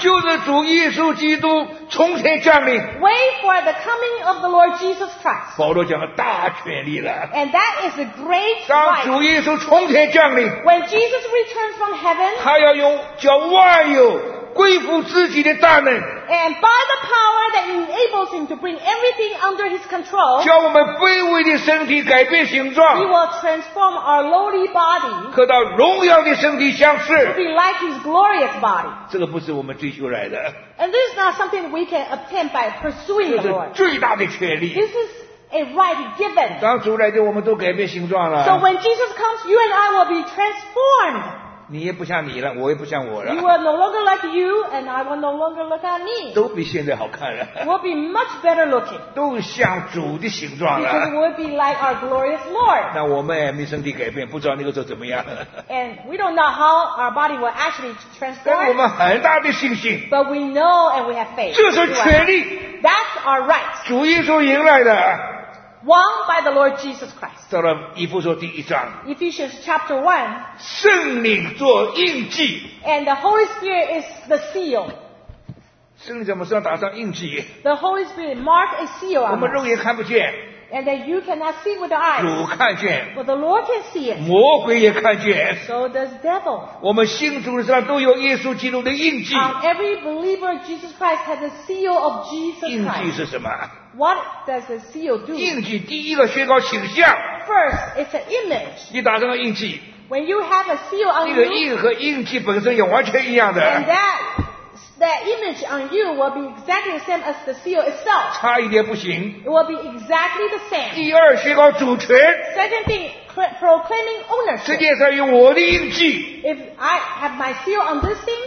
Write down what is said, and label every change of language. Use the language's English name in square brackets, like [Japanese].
[Chinese] 就是主耶稣基督从前降临 [English] Wait for the coming of the Lord Jesus Christ. [Chinese] 保罗讲了大权力了。 [English] And that is a great right. [Chinese] 当主耶稣从天降临。 [English] When Jesus returns from heaven, [Chinese] 他要用叫万有归附自己的大能。 [English] And by the power that enables him to bring everything under his control, [Chinese] 叫我们卑微的身体改变形状。 [English] He will transform our lowly body, [Chinese] 和到荣耀的身体相似。 [English] To be like his glorious body. [Chinese] 这个不是我们追求来的。 [English] And this is not something we can obtain by pursuing the Lord. [Chinese] 这是最大的权利。 [English] This is a right given. [Chinese] 当主来的我们都改变形状了。 [English] So when Jesus comes, you and I will be transformed. [Chinese] 你也不像你了，我也不像我了。 [English] You will no longer like you, and I will no longer look at me. [Chinese] 都比现在好看了。 [English] We'll be much better looking. [Chinese] 都像主的形状了。 [English] Because we'll be like our glorious Lord. [Chinese] 那我们也没身体改变，不知道那个时候怎么样。 [English] And we don't know how our body will actually transform. [Chinese] 但我们很大的信心。 [English] But we know and we have faith. [Chinese] 这是权利。 [English] That's our right. [Chinese] 主耶稣赢来的。 [English] Won by the Lord Jesus Christ. [Chinese] 到了以弗所第一章。 [English] Ephesians chapter 1. [Chinese] 圣灵做印记。 [English] And the Holy Spirit is the seal. [Chinese] 圣灵在我们身上打上印记。 [English] The Holy Spirit marked a seal. [Chinese] 我们肉眼看不见。 [English] And that you cannot see with the eyes. [Chinese] 主看见。 [English] But the Lord can see it. [Chinese] 魔鬼也看见。 [English] So does the devil. [Chinese] 我们信主的身上都有耶稣基督的印记。 [English] Every believer Jesus Christ has a seal of Jesus Christ. [Chinese] 印记是什么？ [English] What does the seal do? [Chinese] 印记第一个宣告形象。 [English] First, it's an image. [Chinese] 你打上了印记。 [English] When you have a seal on you, [Chinese] 那个印和印记本身也完全一样的。 [English] And that image on you will be exactly the same as the seal itself. [Chinese] 差一点不行。 [English] It will be exactly the same. [Chinese] 第二，宣告主权。 [English] Second thing, proclaiming ownership. [Chinese] 世界上有我的印记。 [English] If I have my seal on this thing,